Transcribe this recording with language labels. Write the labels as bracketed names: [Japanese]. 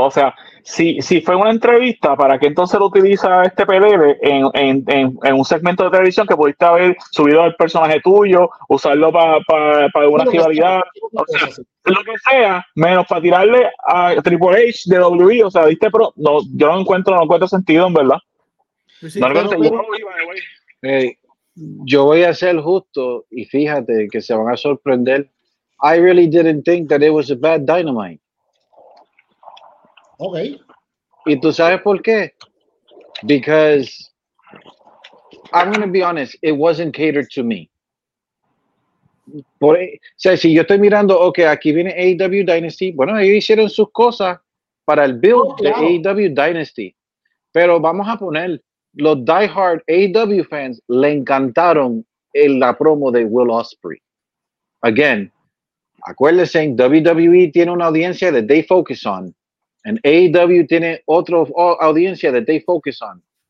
[Spanish] O sea, si fue una entrevista, ¿para qué entonces lo utiliza este PLB en un segmento de televisión que pudiste haber subido al personaje tuyo, usarlo para alguna rivalidad? O sea, lo que sea, menos para tirarle a Triple H de WWE. O sea, viste, pero no, yo no encuentro sentido, en verdad. Sí, no lo encuentro sentido. Yo voy a ser justo y fíjate que se van a sorprender. [English] I really didn't think that it was a bad Dynamite. Okay. [Spanish] ¿Y tú sabes por qué? [English] Because I'm going to be honest, it wasn't catered to me. [Spanish] Si yo estoy mirando, okay, aquí viene AEW Dynasty. Bueno, ellos hicieron sus cosas para el build de AEW Dynasty. Pero vamos a poner. Los diehard AEW fans le encantaron en la promo de Will Ospreay. [English] Again, [Spanish] acuérdense, [English] WWE [Spanish] tiene una audiencia [English] that they focus on, and AEW [Spanish] tiene otra audiencia [English] that they focus on.